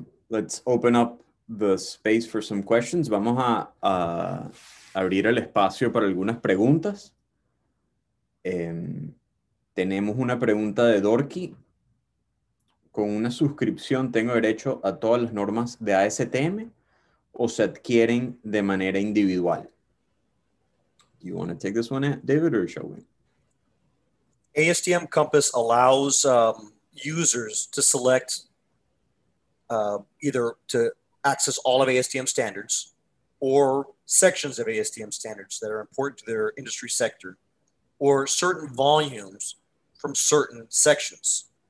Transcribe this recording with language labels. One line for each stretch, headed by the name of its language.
English: Let's open up the space for some questions.
Spanish: Vamos a abrir el espacio para algunas preguntas. Tenemos una pregunta de Dorky. ¿Con una suscripción tengo derecho a todas las normas de ASTM o se adquieren de manera individual?
English: Do you want to take this one, David, or shall we? ASTM Compass allows users to select either to access all of ASTM standards or sections of ASTM standards that are important to their industry sector or certain volumes from certain sections.